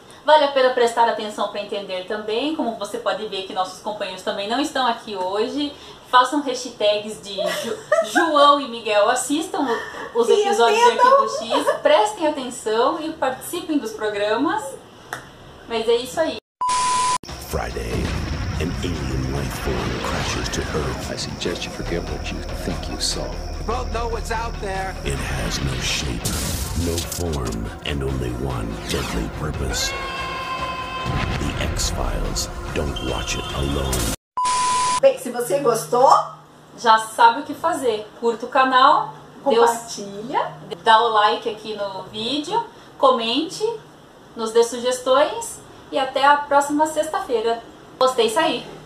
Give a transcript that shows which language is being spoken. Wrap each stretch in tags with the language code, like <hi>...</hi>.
<pt>Vale a pena prestar atenção para entender também, como você pode ver que nossos companheiros também não estão aqui hoje. Façam hashtags de João e Miguel, assistam os episódios do Arquivo X, prestem atenção e participem dos programas. Mas é isso aí.</pt> <en>Friday, an alien life form crashes to Earth. I suggest you forget what you think you saw. We both know what's out there. It has no shape, no form, and only one deadly purpose. The X-Files, don't watch it alone.</en> <pt>Bem, se você gostou, já sabe o que fazer. Curta o canal, compartilha, dá o like aqui no vídeo, comente, nos dê sugestões e até a próxima sexta-feira. Gostei, saí!</pt>